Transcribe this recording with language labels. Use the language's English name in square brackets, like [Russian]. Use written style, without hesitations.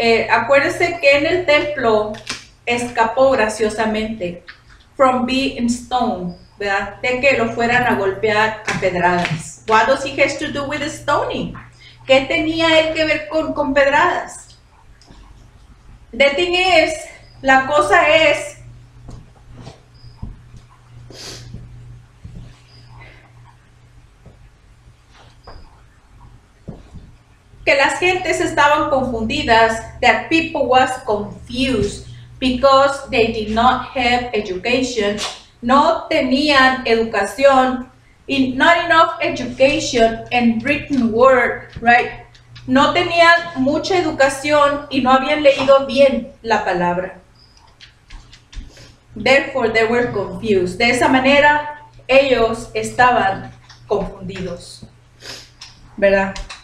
[Spanish] Acuérdese que en el templo escapó graciosamente [English] from being stoned, [Spanish] ¿verdad? De que lo fueran a golpear a pedradas. [English] What does he have to do with the stoning? [Spanish] ¿Qué tenía él que ver con pedradas? [English] The thing is, [Spanish] la cosa es, [English] que las gentes estaban confundidas, that people was confused because they did not have education, [Spanish] no tenían educación, [English] in not enough education and written word, right? [Spanish] No tenían mucha educación y no habían leído bien la palabra. [English] Therefore, they were confused. [Spanish] De esa manera, ellos estaban confundidos, ¿verdad?